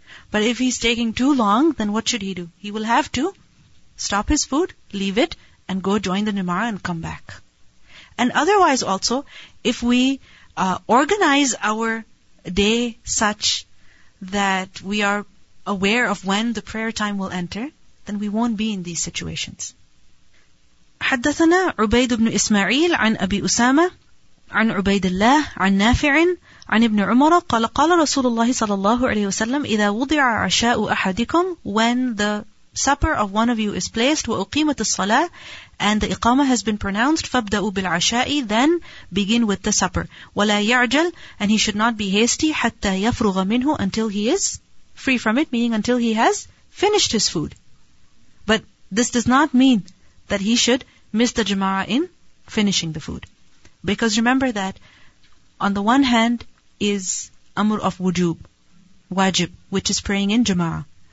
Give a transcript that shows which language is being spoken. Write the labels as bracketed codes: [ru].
[en] But if he's taking too long, then what should he do? He will have to stop his food, leave it, and go join the Jama'ah and come back. And otherwise also, if we organize our day such that we are aware of when the prayer time will enter, then we won't be in these situations. [ar] حدثنا عبيد بن إسماعيل عن أبي أسامة عن عبيد الله عن نافع عن ابن عمر قال قال رسول الله صلى الله عليه وسلم إذا وضع عشاء أحدكم, [en] when the supper of one of you is placed, [ar] وأقيمت الصلاة, [en] and the [ar] إقامة [en] has been pronounced, [ar] فابدأوا بالعشاء, [en] then begin with the supper. [ar] ولا يعجل, [en] and he should not be hasty, [ar] حتى يفرغ منه, [en] until he is free from it, meaning until he has finished his food. But this does not mean that he should miss the Jama'ah in finishing the food. Because remember that on the one hand is Amr of Wujub, Wajib, which is praying in Jama'ah.